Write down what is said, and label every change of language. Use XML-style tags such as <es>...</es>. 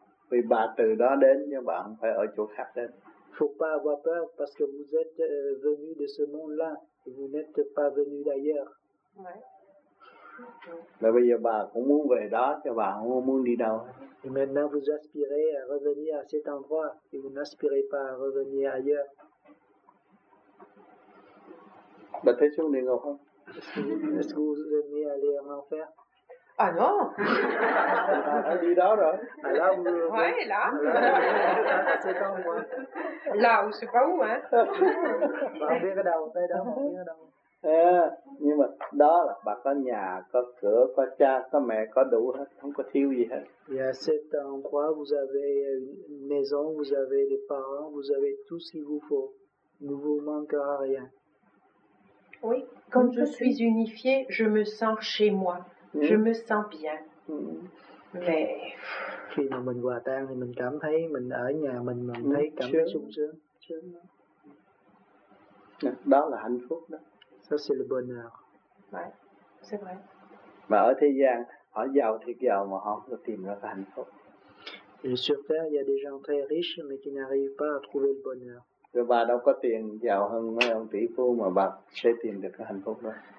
<vi>Vì bà từ đó đến, nhưng bạn phải ở chỗ khác đến.</vi> <fr>Faut pas avoir peur parce que vous êtes venu de ce monde-là. Vous n'êtes pas venu d'ailleurs.</fr> <vi>Là bây giờ bà cũng muốn về đó, cho bà không muốn đi đâu.</vi> <fr>Et maintenant vous aspirez à revenir à cet endroit et vous n'aspirez pas à revenir ailleurs.</fr> <vi>Bà thấy xuống địa ngục không?</vi> <fr>Est-ce que vous aimez aller en enfer? Ah non!</fr> <vi>À đi đó rồi.</vi> <fr>À là où? Ouais, là. À cet endroit. Là où, je sais pas où, hein?</fr> <vi>Bà không biết ở đâu, tới đó, không biết ở đâu. Nhưng mà đó là bà có nhà, có cửa, có cha, có mẹ, có đủ hết, không có thiếu gì hết.</vi> <fr>Yeah, c'est un endroit, vous avez une maison, vous avez des parents, vous avez tout ce qu'il vous faut. Ne vous manquera rien. Oui, quand je suis unifiée, je me sens chez moi. Je me sens bien. Mais</fr> <vi>khi mà mình hòa tan thì mình cảm thấy mình ở nhà mình, mình thấy cảm thấy sung sướng. Đó là hạnh phúc đó.</vi> <fr>Ça, c'est le bonheur. Ouais, c'est vrai.</fr> <vi>Mà ở thế gian, họ giàu thì giàu mà họ không tìm ra cái hạnh phúc.</vi> <fr>Et sur terre, il y a des gens très riches mais qui n'arrivent pas à trouver le bonheur.</fr> <vi>Rồi bà đâu có tiền giàu hơn mấy ông tỷ phú mà bà sẽ tìm được cái hạnh phúc đó.</vi>